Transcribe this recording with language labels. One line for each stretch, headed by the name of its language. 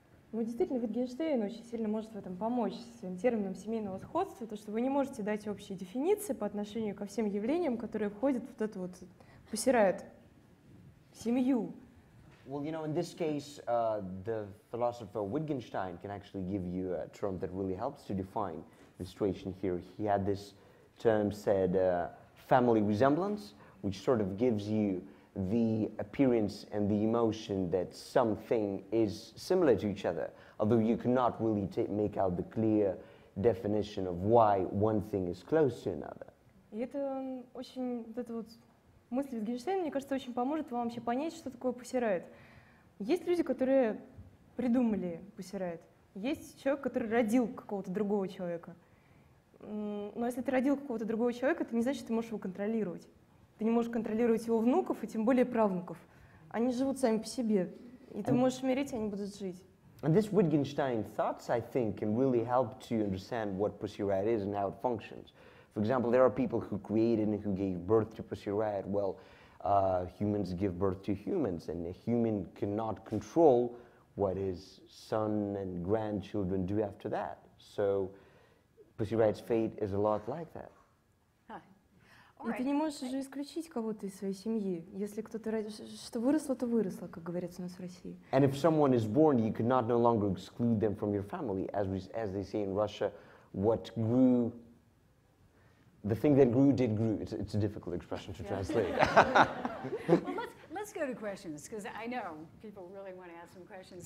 Russian: Ну, действительно, Витгенштейн очень сильно может в этом помочь с своим термином семейного сходства, то, что вы не можете дать общие дефиниции по отношению ко всем явлениям, которые входят в эту вот, посирают семью.
English: Well, you know, in this case, the philosopher Wittgenstein can actually give you a term that really helps to define the situation here. He had this term said family resemblance, which sort of gives you the appearance and the emotion that something is similar to each other, although you cannot really make out the clear definition of why one thing is close to another.
Russian: Мысль Витгенштейна, мне кажется, очень поможет вам вообще понять, что такое Pussy Riot. Есть люди, которые придумали Pussy Riot. Есть человек, который родил какого-то другого человека. Но если ты родил какого-то другого человека, это не значит, что ты можешь его контролировать. Ты не можешь контролировать его внуков, и тем более правнуков. Они живут сами по себе. И ты можешь умереть, и они будут жить.
English: And this Wittgenstein thoughts, I think, can really help to understand what Pussy Riot is and how it functions. For example, there are people who created and who gave birth to Pussy Riot. Well, humans give birth to humans, and a human cannot control what his son and grandchildren do after that. So Pussy Riot's fate is a lot like that. Huh. Right.
Russian: Ты не можешь же исключить кого-то из своей семьи. Если кто-то родился, что выросло, то выросло, как говорится у нас в России.
English: And if someone is born, you cannot no longer exclude them from your family. As they say in Russia, what grew... The thing that grew did grew. It's a difficult expression to translate. Well, let's go to questions, because I know people really want to ask some questions.